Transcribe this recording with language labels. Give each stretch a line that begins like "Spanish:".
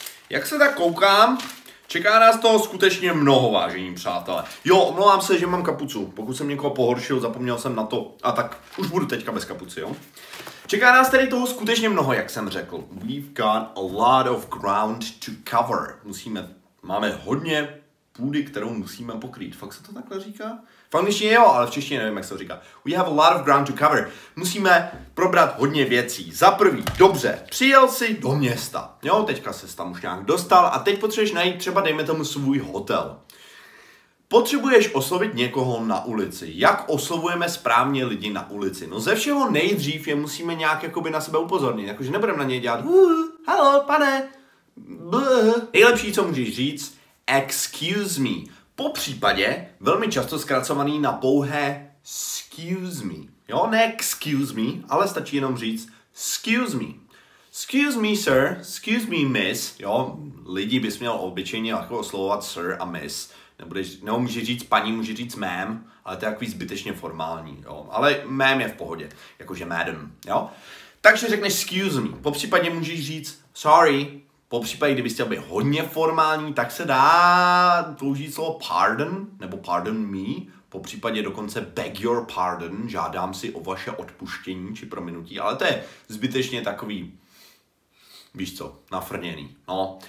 Czech: Jak se tak koukám, čeká nás toho skutečně mnoho, vážení přátelé. Jo, omlouvám se, že mám kapucu. Pokud jsem někoho pohoršil, zapomněl jsem na to. A tak už budu teďka bez kapuci, jo? Čeká nás tedy toho skutečně mnoho, jak jsem řekl.
English: We've got a lot of ground to cover.
Czech: Máme hodně půdy, kterou musíme pokrýt. Fakt se to takhle říká? V angličtině jo, ale v češtině nevím, jak se to říká.
English: We have a lot of ground to cover.
Czech: Musíme probrat hodně věcí. Za prvý, dobře, přijel jsi do města. Jo, teďka ses tam už nějak dostal a teď potřebuješ najít třeba, dejme tomu, svůj hotel. Potřebuješ oslovit někoho na ulici. Jak oslovujeme správně lidi na ulici? No ze všeho nejdřív je musíme nějak jakoby na sebe upozornit. Jakože nebudeme na něj dělat halo, pane. Nejlepší, co můžeš říct,
English: excuse me.
Czech: Po případě velmi často zkracovaný na pouhé
English: excuse me.
Czech: Jo, ne
English: excuse me,
Czech: ale stačí jenom říct excuse me.
English: Excuse me, sir, excuse me, miss.
Czech: Jo, lidi bys měl obyčejně jako oslovovat sir a miss. Nebo může říct paní, může říct ma'am, ale to je takový zbytečně formální. Jo. Ale ma'am je v pohodě, jakože madam. Jo. Takže řekneš
English: excuse me.
Czech: Po případě můžeš říct sorry. Popřípadě, kdybys chtěl být hodně formální, tak se dá použít slovo pardon, nebo
English: pardon me,
Czech: popřípadě dokonce
English: beg your pardon,
Czech: žádám si o vaše odpuštění či prominutí, ale to je zbytečně takový, víš co, nafrněný. No.